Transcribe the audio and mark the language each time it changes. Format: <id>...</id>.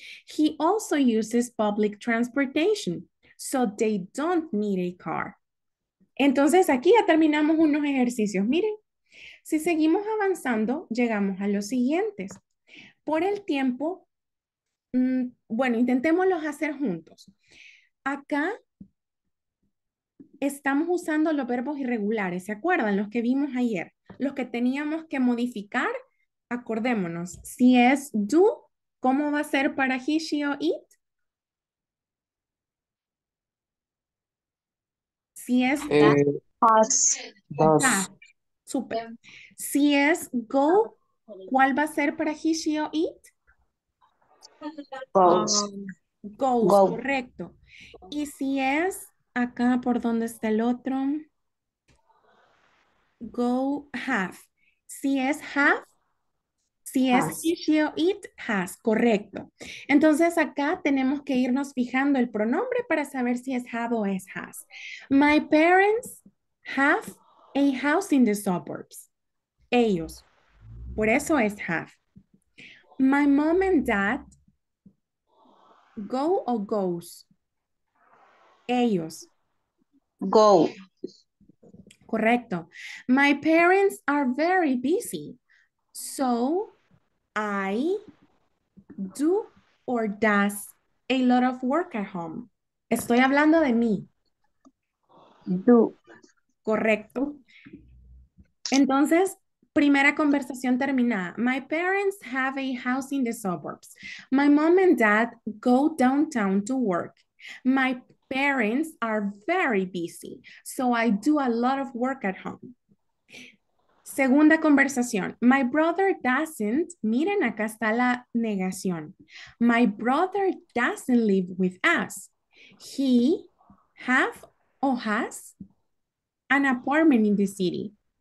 <en>He also uses public transportation, so they don't need a car.</en> <es>Entonces, aquí ya terminamos unos ejercicios. Miren, si seguimos avanzando, llegamos a los siguientes. Por el tiempo, bueno, intentémoslos hacer juntos. Acá estamos usando los verbos irregulares, ¿se acuerdan? Los que vimos ayer, los que teníamos que modificar, acordémonos. Si es do, ¿cómo va a ser para he, she o it? Si es super. Si es go, ¿cuál va a ser para he, she o it?</es> <en>Goes,</en> <es>correcto. Y si es acá, ¿por dónde está el otro?</es> <en>Go have.</en> <es>Si es</es> <en>have, si has.</en> <es>Es she o it, has, correcto. Entonces acá tenemos que irnos fijando el pronombre para saber si es have o es has.</es> <en>My parents have a house in the suburbs.</en> <es>Ellos. Por eso es</es> <en>have. My mom and dad.</en> <es>Go o goes? Ellos.</es> <en>Go.</en> <es>Correcto.</es> <en>My parents are very busy. So I do or does a lot of work at home.</en> <es>Estoy hablando de mí.</es> <en>Do.</en> <es>Correcto. Entonces, Primera conversación terminada.</es> <en>My parents have a house in the suburbs. My mom and dad go downtown to work. My parents are very busy, so I do a lot of work at home.</en> <es>Segunda conversación.</es> <en>My brother doesn't,</en> <es>miren acá está la negación.</es> <en>My brother doesn't live with us. He have or has an apartment in the city.</en>